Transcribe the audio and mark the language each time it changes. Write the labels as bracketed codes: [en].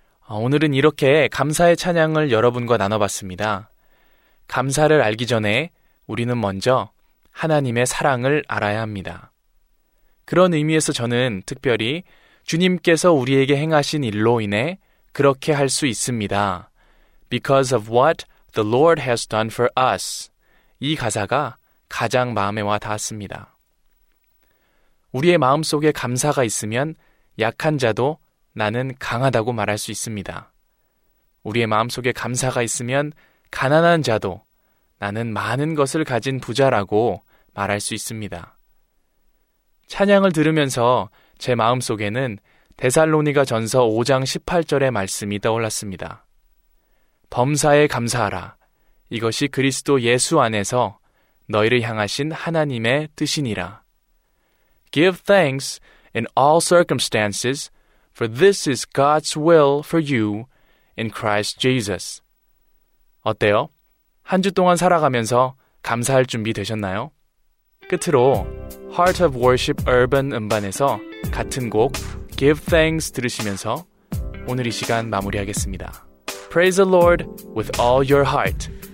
[ko] 오늘은 이렇게 감사의 찬양을 여러분과 나눠봤습니다. 감사를 알기 전에 우리는 먼저 하나님의 사랑을 알아야 합니다. 그런 의미에서 저는 특별히 주님께서 우리에게 행하신 일로 인해 그렇게 할 수 있습니다. [en] Because of what the Lord has done for us. [ko] 이 가사가 가장 마음에 와 닿았습니다. 우리의 마음속에 감사가 있으면 약한 자도 나는 강하다고 말할 수 있습니다. 우리의 마음속에 감사가 있으면 가난한 자도 나는 많은 것을 가진 부자라고 말할 수 있습니다. 찬양을 들으면서 제 마음속에는 데살로니가 전서 5장 18절의 말씀이 떠올랐습니다. 범사에 감사하라. 이것이 그리스도 예수 안에서 너희를 향하신 하나님의 뜻이니라. [en] Give thanks in all circumstances, for this is God's will for you in Christ Jesus. [ko] 어때요? 한 주 동안 살아가면서 감사할 준비 되셨나요? 끝으로 Heart of Worship Urban 음반에서 같은 곡 Give Thanks 들으시면서 오늘 이 시간 마무리하겠습니다. [en] Praise the Lord with all your heart.